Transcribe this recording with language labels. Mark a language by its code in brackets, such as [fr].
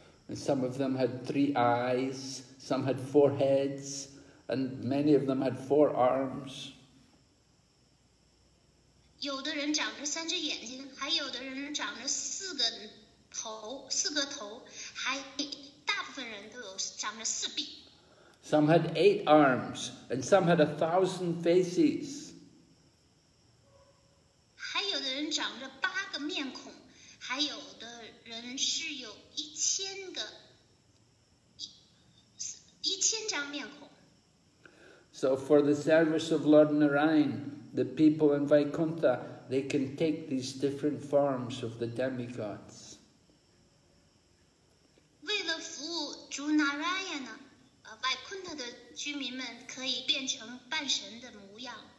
[en] And some of them had three eyes, some had four heads, and many of them had four arms. [zh] 有的人长着三只眼睛，还有的人长着四个头，还大部分人都有长着四臂。 [en] Some had eight arms, and some had 1,000 faces. [zh] 还有的人长着八个面孔，还有的人是有一千张面孔。 [en] So for the service of Lord Narayan. The people in Vaikuntha, they can take these different forms of the demigods. [zh] 为了服务主 Narayana, Vaikuntha 的居民们可以变成半神的模样。